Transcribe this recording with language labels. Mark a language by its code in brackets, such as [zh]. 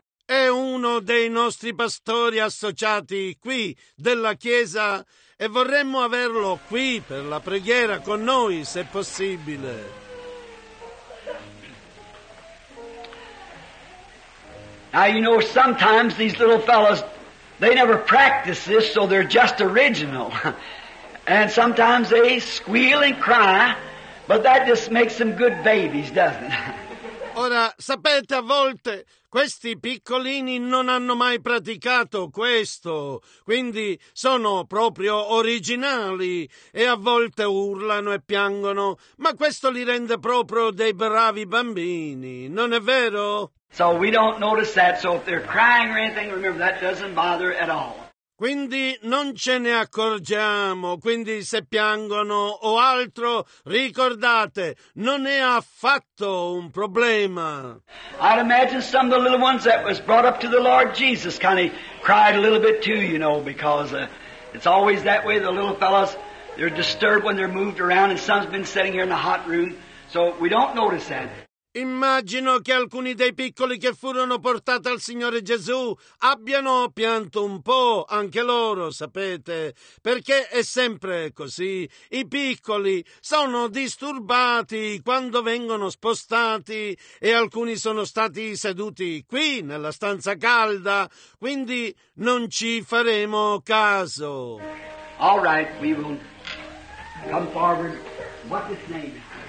[it] È uno dei nostri pastori associati qui della chiesa e vorremmo averlo qui per la preghiera con noi se possibile. [en] Now you know sometimes these little fellows they never practice this so they're just original and sometimes they squeal and cry but that just makes them good babies, doesn't it? [it] Ora, sapete, a volte questi piccolini non hanno mai praticato questo, quindi sono proprio originali e a volte urlano e piangono, ma questo li rende proprio dei bravi bambini, non è vero? [en] So we don't notice that, so if they're crying or anything, remember that doesn't bother at all. [it] Quindi non ce ne accorgiamo, quindi se piangono o altro, ricordate, non è affatto un problema. [en] I'd imagine some of the little ones that was brought up to the Lord Jesus kind of cried a little bit too, you know, because it's always that way, the little fellows, they're disturbed when they're moved around and some's been sitting here in the hot room, so we don't notice that. [it] Immagino che alcuni dei piccoli che furono portati al Signore Gesù abbiano pianto un po', anche loro, sapete, perché è sempre così. I piccoli sono disturbati quando vengono spostati e alcuni sono stati seduti qui, nella stanza calda, quindi non ci faremo caso. [en] All right, we will come forward. What's his name?